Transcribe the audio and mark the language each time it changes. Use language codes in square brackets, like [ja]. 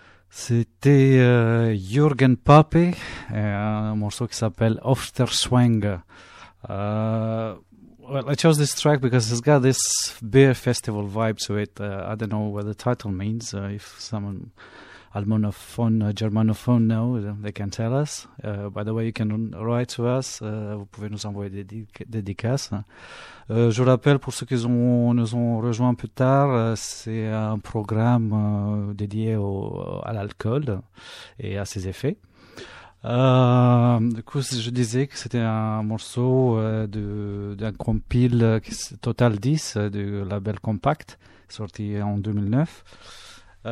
[fr] C'était Jürgen Pape, un morceau qui s'appelle Ofterswang. [en] Well, I chose this track because it's got this beer festival vibe to it. I don't know what the title means. If someone, Almanophone, Germanophone, know, they can tell us. By the way, you can write to us. [fr] Vous pouvez nous envoyer des dédicaces. Je rappelle pour ceux qui nous ont rejoints plus tard, c'est un programme dédié à l'alcool et à ses effets. Du coup, je disais que c'était un morceau d'un compil Total 10 du label Compact, sorti en 2009.